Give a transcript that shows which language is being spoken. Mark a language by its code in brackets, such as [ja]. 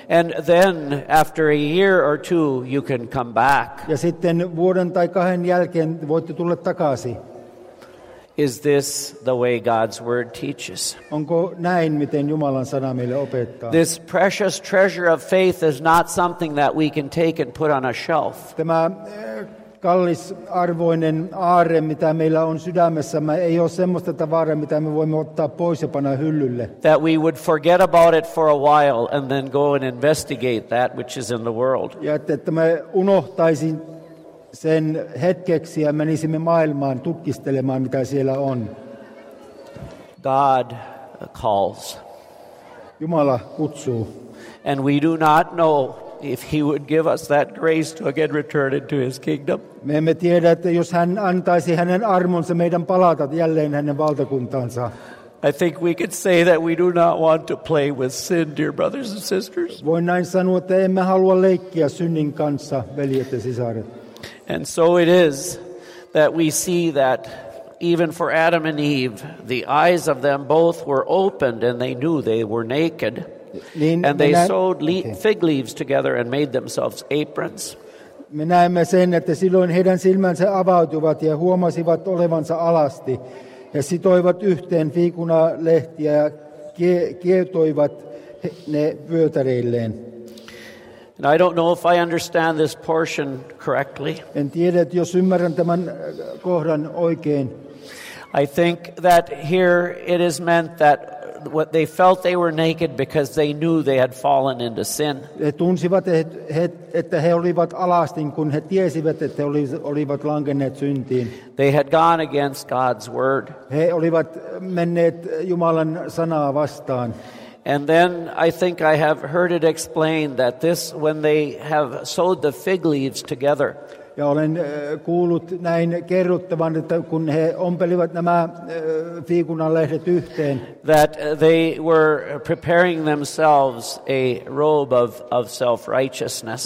[en] And then after a year or two you can come back. [fi] Ja sitten vuoden tai kahden jälkeen voitte tulla takaisin. [en] Is this the way God's word teaches? [fi] Onko näin, miten Jumalan sana meille opettaa? [en] This precious treasure of faith is not something that we can take and put on a shelf. [fi] Tämä kallis arvoinen aarre, mitä meillä on sydämessämme, ei ole semmoista tavaraa, mitä me voimme ottaa pois ja panna hyllylle. [en] That we would forget about it for a while and then go and investigate that which is in the world. [fi] Ja että me unohtaisin sen hetkeksi ja menisimme maailmaan tutkistelemaan, mitä siellä on. [en] God calls. [fi] Jumala kutsuu. [en] And we do not know if he would give us that grace to again return into his kingdom. [fi] Me emme tiedä, että jos hän antaisi hänen armonsa meidän palata jälleen hänen valtakuntaansa. [en] I think we could say that we do not want to play with sin, dear brothers and sisters. [fi] Voin näin sanoa, että emme halua leikkiä synnin kanssa, veljet ja sisaret. [en] And so it is that we see that even for Adam and Eve, the eyes of them both were opened and they knew they were naked. And they sewed fig leaves together and made themselves aprons. [fi] Me näemme sen, että silloin heidän silmänsä avautuvat ja huomasivat olevansa alasti. He sitoivat yhteen fiikunalehtiä ja kietoivat ne vyötäreilleen. [en] And I don't know if I understand this portion correctly. [fi] En tiedä, että jos ymmärrän tämän kohdan oikein. [en] I think that here it is meant that what they felt they were naked because they knew they had fallen into sin. [fi] He tunsivat, että he olivat alastin, kun he tiesivät, että he olivat lankenneet syntiin. [en] They had gone against God's word. [fi] He olivat menneet Jumalan sanaa vastaan. [en] And then I think I have heard it explained that this, when they have sewed the fig leaves together. [fi] Ja olen kuullut näin kerrottavan, että kun he ompelivat nämä fiikunalehdet yhteen. [en] That they were preparing themselves a robe of self-righteousness.